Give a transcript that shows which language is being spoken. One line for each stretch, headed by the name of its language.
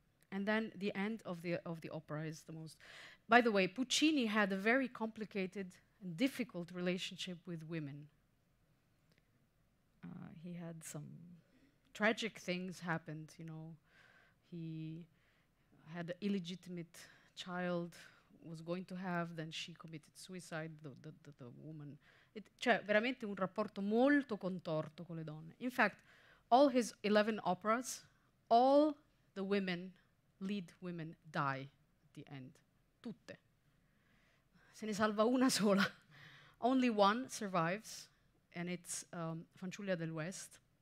English: And then the end of the opera is the most. By the way, Puccini had a very complicated and difficult relationship with women. He had some tragic things happened, you know. He had an illegitimate child, was going to have, then she committed suicide, the woman.
Italian: It, cioè, veramente un rapporto molto contorto con le donne.
English: In fact, all his 11 operas, all the women, lead women, die at the end.
Italian: Tutte. Se ne salva una sola.
English: Only one survives, and it's Fanciulla del West.